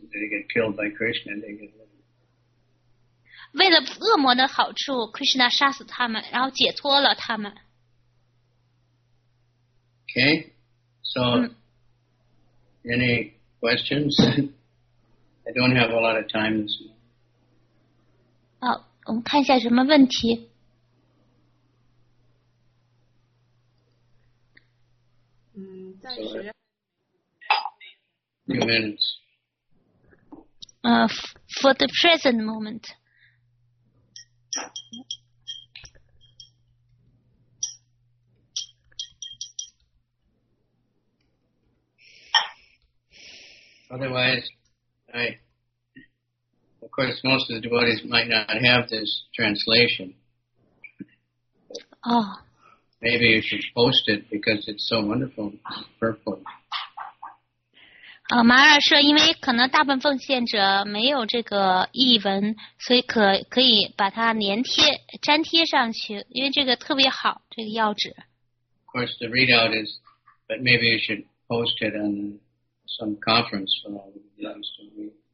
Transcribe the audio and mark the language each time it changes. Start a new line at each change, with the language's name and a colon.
English: They get killed by Krishna. They get liberated.
Chinese: 为了恶魔的好处 ，Krishna 杀死他们，然后解脱了他们。
English: Okay, so any questions? I don't have a lot of time this week.
Chinese: 好，我们看一下什么问题。暂时。
English: Few minutes. For the present moment. Otherwise, of course, most of the devotees might not have this translation. Oh. Maybe you should post it because it's so wonderful. Purport.
Chinese: Mara 说，因为可能大部分奉献者没有这个译文，所以可以把它粘贴上去，因为这个特别好，这个要旨。
English: Of course, the readout is, but maybe you should post it on some conference for all the devotees to read.